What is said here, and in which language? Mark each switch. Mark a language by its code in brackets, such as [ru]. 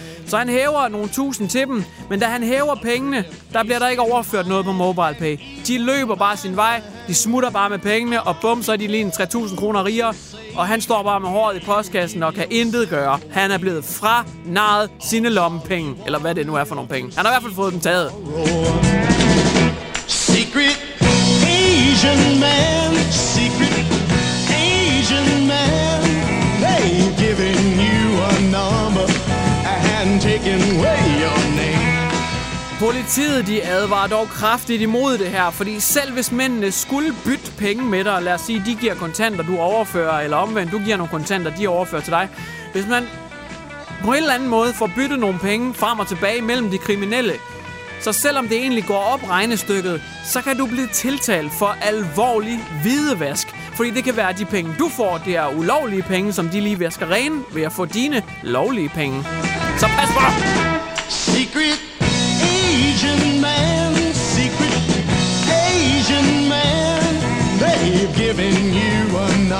[da] Så han hæver nogle tusind til dem, men da han hæver pengene, der bliver der ikke overført noget på MobilePay. De løber bare sin vej, de smutter bare med pengene, og bum, så er de lige en 3.000 kroner rigere. Og han står bare med håret i postkassen og kan intet gøre. Han er blevet franaret sine lommepenge, eller hvad det nu er for nogle penge. Han har i hvert fald fået dem taget. [en] Secret Asian man, secret Asian man, they've given you a number and taken away your name. [da] Politiet, de advarer dog kraftigt imod det her, fordi selv hvis mændene skulle bytte penge med dig, lad os sige, de giver kontanter, du overfører, eller omvendt, du giver nogle kontanter, de overfører til dig. Hvis man på en eller anden måde får byttet nogle penge frem og tilbage mellem de kriminelle, så selvom det egentlig går op regnestykket, så kan du blive tiltalt for alvorlig hvidevask. Fordi det kan være, at de penge, du får, det er ulovlige penge, som de lige vasker rene ved at få dine lovlige penge. Så pas på! [en] Secret Asian man, secret Asian man, they've given you a